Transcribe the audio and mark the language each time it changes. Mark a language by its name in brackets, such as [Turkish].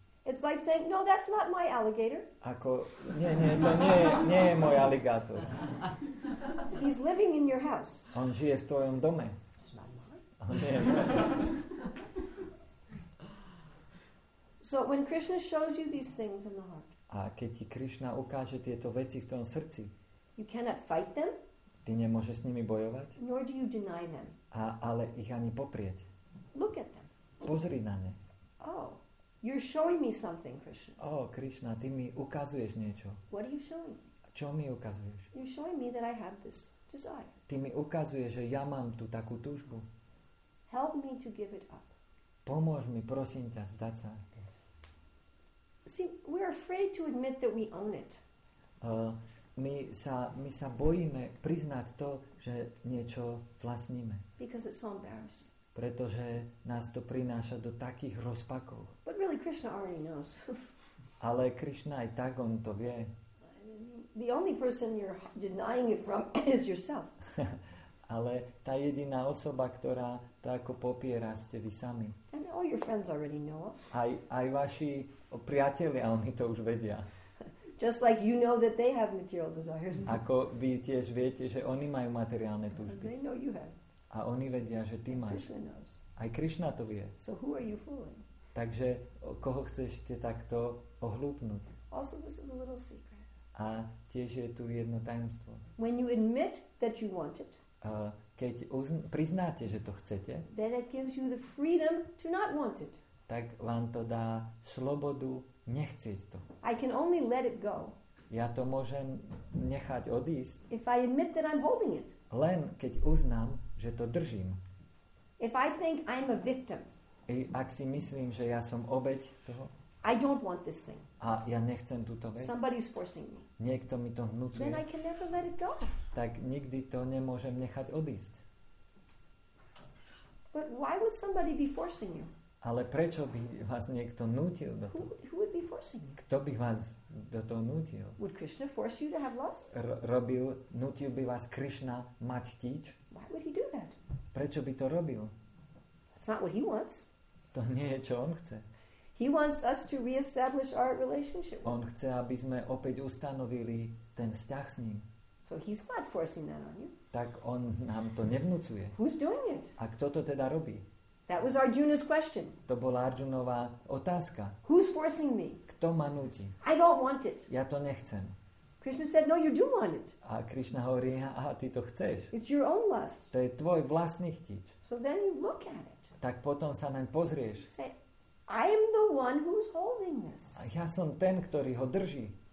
[English] It's like saying, no, that's not my alligator. [Slovak] Ako, nie, to nie je môj aligátor. [English] He's living in your house. [Slovak] On žije v tvojom dome. [English] It's not mine. So when Krishna shows you these things in the heart, [Slovak] a keď ti Krishna ukáže tieto veci v tom srdci, [English] you cannot fight them. [Slovak] Ty nemôžeš s nimi bojovať. [English] Nor do you deny them. [Slovak] Ale ich ani poprieť. [English] Look at them. [Slovak] Pozri na ne. Oh. [English] You're showing me something, Krishna. [Slovak] Oh, Krishna, ty mi ukazuješ niečo. [English] What are you showing? [Slovak] Čo mi ukazuješ? [English] You're showing me that I have this desire. [Slovak] Ty mi ukazuješ, že ja mám tú takú túžbu. [English] Help me to give it up. [Slovak] Pomôž mi, prosím ťa, zdať sa. [English] See, we're afraid to admit that we own it. [Slovak] My sa bojíme priznať to, že niečo vlastníme. [English] Because it's so embarrassing. [Slovak] Pretože nás to prináša do takých rozpakov. [English] But really Krishna already knows. [Slovak] Ale Krishna aj tak, on to vie. [English] The only person you're denying it from is yourself. [Slovak] Ale tá jediná osoba, ktorá to ako popiera, ste vy sami. [English] And all your friends already know. [Slovak] Aj vaši priatelia, oni to už vedia. [English] Just like you know that they have material desires. [Slovak] Ako vy tiež viete, že oni majú materiálne túžby. [English] They know you have. [Slovak] A oni vedia, že ty máš. Aj Krishna to vie. [English] So who are you fooling? [Slovak] Takže koho chceš te takto ohlúpnuť? [English] Also, this is a little secret. [Slovak] A tiež je tu jedno tajomstvo. [English] When you admit that you want it, [Slovak] keď priznáte, že to chcete, [English] then it gives you the freedom to not want it. [Slovak] Tak vám to dá slobodu nechcieť to. [English] I can only let it go. [Slovak] Ja to môžem nechať odísť. [English] If I admit that I'm holding it. [Slovak] Len keď uznám, že to držím. [English] If I think I'm a victim. [Slovak] Ak si myslím, že ja som obeť toho. [English] I don't want this thing. [Slovak] A ja nechcem túto vec. [English] Somebody's forcing me. [Slovak] Niekto mi to vnúcuje. [English] Then I can never let it go. [Slovak] Tak nikdy to nemôžem nechať odísť. [English] But why would somebody be forcing you? [Slovak] Ale prečo by vás niekto nútil do toho? [English] Who would be forcing you? [Slovak] Kto by vás do toho nútil? [English] Would Krishna force you to have lust? [Slovak] Nútil by vás Krishna mať chtíč? [English] Why would he do that? [Slovak] Prečo by to robil? [English] That's not what he wants. [Slovak] To nie je, čo on chce. [English] He wants us to reestablish our relationship. [Slovak] On chce, aby sme opäť ustanovili ten vzťah s ním. [English] So he's not forcing that on you. [Slovak] Tak on nám to nevnucuje. [English] Who's doing it? [Slovak] A kto to teda robí? [English] That was Arjuna's question. [Slovak] To bola Arjunova otázka. [English] Who's forcing me? [Slovak] Kto ma núti? [English] I don't want it. [Slovak] Ja to nechcem. [English] Krishna said, no, you do want it. [Slovak] A Krishna hovorí, aha, ty to chceš. [English] It's your own lust. [Slovak] To je tvoj vlastný chtič. [English] So then you look at it. [Slovak] Tak potom sa naň pozrieš. [English] Say, I am the one who's holding this. [Slovak] A ja som ten, ktorý ho drží.